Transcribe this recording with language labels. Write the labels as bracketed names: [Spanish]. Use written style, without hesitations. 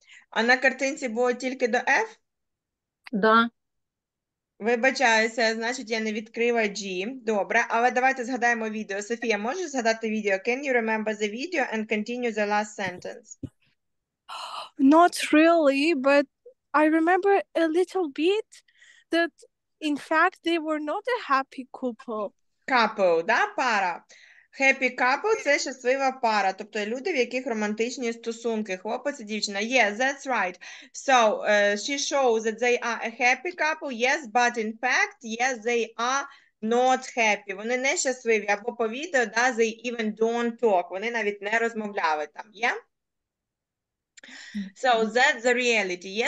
[Ukrainian] А на картинці було тільки до F? Да. Вибачаюся, значить, я не відкрила G. Добре, але давайте згадаємо відео. Софія, можеш згадати відео? [English] Can you remember the video and continue the last sentence? Not really, but I remember a little bit that, in fact, they were not a happy couple. [Ukrainian] Couple, да, пара? Happy couple – це щаслива пара, тобто люди, в яких романтичні стосунки, хлопець і дівчина. [English] Yes, that's right. So, she shows that they are a happy couple, yes, but in fact, yes, they are not happy. [Ukrainian] Вони не щасливі, або по відео, да, [English] they even don't talk, [Ukrainian] вони навіть не розмовляли там, [English] So, that's the reality.